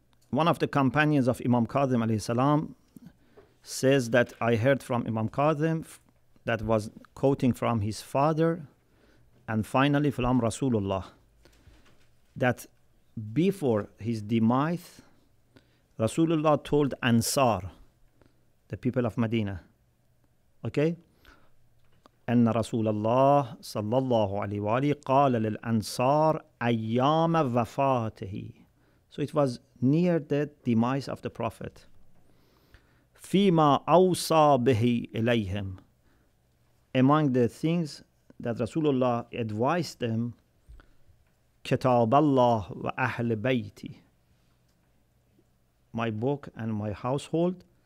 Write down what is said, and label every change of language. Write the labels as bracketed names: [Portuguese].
[English] One of the companions of Imam Kadhim alayhi salam says that I heard from Imam Kadhim that was quoting from his father and finally from Rasulullah that before his demise, Rasulullah told Ansar, the people of Medina, okay? [Arabic] أن رسول الله صلى الله عليه وآله قال للأنصار أيام وفاته. [English] So it was near the demise of the Prophet. [Arabic] فيما أوصى به إليهم. [English] among the things that Rasulullah advised them, [Arabic] Kitab Allah wa Ahl Bayti, [English] my book and my household.